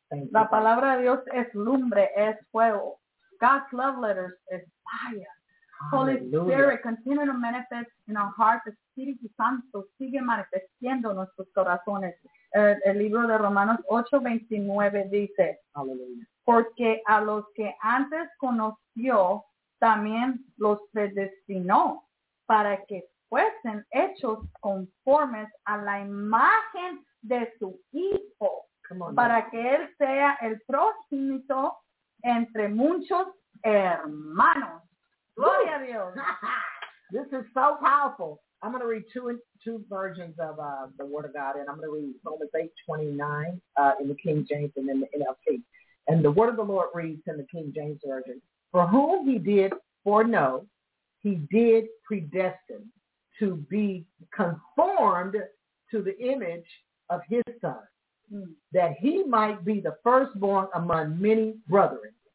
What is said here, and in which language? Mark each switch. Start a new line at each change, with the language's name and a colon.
Spanish: La palabra de Dios es lumbre, es fuego.
English: God's love letters is fire. Hallelujah. Holy Spirit, continue to manifest in our hearts.
Spanish: Espíritu Santo, sigue manifestando nuestros corazones. El libro de Romanos 8:29 dice,
English: hallelujah.
Spanish: Porque a los que antes conoció, también los predestinó para que fuesen hechos conformes a la imagen de su Hijo, para que Él sea el prójimo entre muchos hermanos. Gloria a Dios.
English: This is so powerful. I'm going to read two versions of the Word of God, and I'm going to read Romans 8:29 in the King James and then the NLT. And the Word of the Lord reads in the King James Version, for whom He did foreknow, He did predestine to be conformed to the image of His Son, that He might be the firstborn among many brethren.